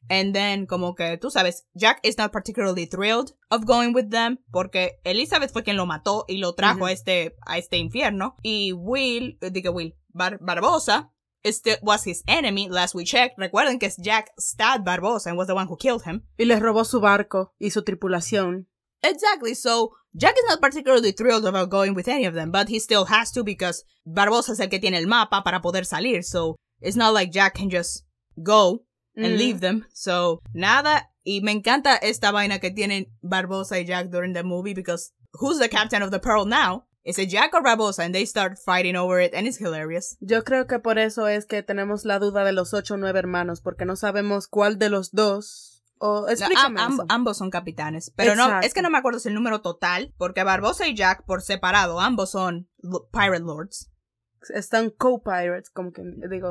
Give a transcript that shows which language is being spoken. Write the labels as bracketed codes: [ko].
[en] And then, [es] como que, tú sabes, [en] Jack is not particularly thrilled of going with them, [es] porque Elizabeth fue quien lo mató y lo trajo mm-hmm. a este infierno. [en] Y Barbosa, was his enemy, last we checked. [es] Recuerden que [en] Jack stabbed Barbosa and was the one who killed him. [es] Y le robó su barco y su tripulación. [en] Exactly, so Jack is not particularly thrilled about going with any of them, but he still has to because [es] Barbosa es el que tiene el mapa para poder salir, [en] so it's not like Jack can just go and leave them. [es] So, nada, y me encanta esta vaina que tienen [en] Barbosa y Jack during the movie because who's the captain of the Pearl now? Is it Jack or Barbosa? And they start fighting over it, and it's hilarious. [es] Yo creo que por eso es que tenemos la duda de los 8 o 9 hermanos, porque no sabemos cuál de los dos... Ambos son capitanes, pero exacto. No, es que no me acuerdo si el número total, porque Barbosa y Jack por separado, ambos son [en] pirate lords. [es] Están co-pirates, como que digo.